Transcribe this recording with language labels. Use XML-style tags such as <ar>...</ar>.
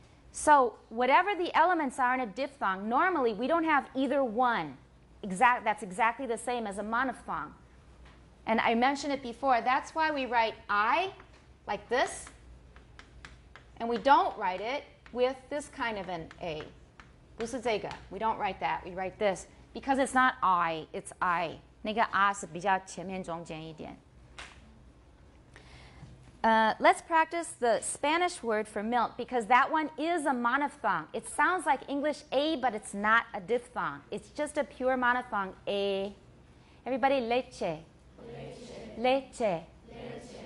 <en>So whatever the elements are in a diphthong, normally we don't have either one. That's exactly the same as a monophthong. And I mentioned it before, that's why we write I like this, and we don't write it with this kind of an A. Busuzega. We don't write that, we write this. Because it's not I, it's I.</en> <zh>那个啊是比较前面中间一点。</zh> <en>Let's practice the Spanish word for milk, because that one is a monophthong. It sounds like English A, but it's not a diphthong. It's just a pure monophthong, A. Everybody, leche.</en> <es>Leche. Leche. Leche.</es>